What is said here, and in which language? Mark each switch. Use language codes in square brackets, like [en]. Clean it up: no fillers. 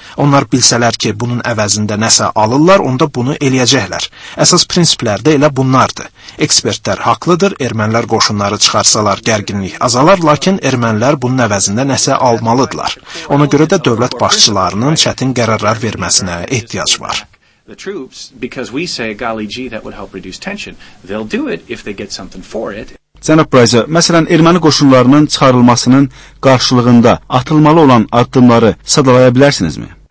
[az] Onlar bilsələr ki, bunun əvəzində nəsə alırlar, onda bunu eləyəcəklər. Əsas prinsiplər də elə bunlardır. Ekspertlər haqlıdır, ermənilər qoşunları çıxarsalar gərginlik azalar, lakin ermənilər bunun əvəzində nəsə almalıdırlar. Ona görə də dövlət başçılarının çətin qərarlar verməsinə ehtiyac var. [en] The troops, because we say, golly gee, that would help reduce tension. They'll do it if they get something for it. [az] Cənab Prayza, məsələn, erməni qoşunlarının çıxarılmasının qarşılığında atılmalı olan addımları sadalaya bilərsinizmi?